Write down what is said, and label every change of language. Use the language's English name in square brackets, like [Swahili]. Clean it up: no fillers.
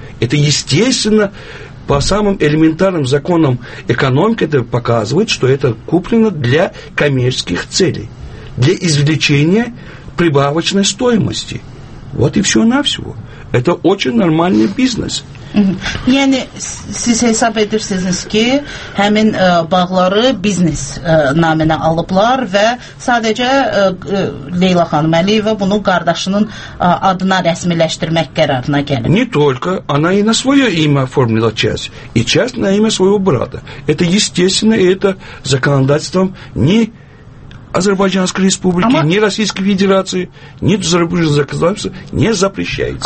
[Russian] Это естественно, по самым элементарным законам экономики это показывает, что это куплено для коммерческих целей, для извлечения прибавочной стоимости. Вот и все навсего. Это очень нормальный бизнес. [Azerbaijani] Yəni, siz hesab edirsiniz ki, həmin bağları biznes naminə alıblar və sadəcə Leyla xanım Əliyeva bunu qardaşının adına rəsmiləşdirmək qərarına gəlib. [Russian] Не только, она и на свое имя оформила часть, и часть на имя своего брата. Это естественно, и это законодательством не Азербайджанской республики, [Azerbaijani] ама... [Russian] ни Российской Федерации, ни зарубежных законодательств не запрещается.